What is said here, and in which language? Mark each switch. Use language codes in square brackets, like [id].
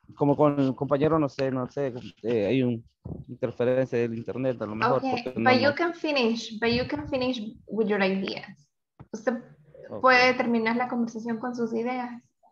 [es] Como con el compañero, no sé, hay un interferencia del internet, a lo mejor. [en] Okay, but you can finish with your ideas. [es] Usted puede terminar la conversación con sus ideas.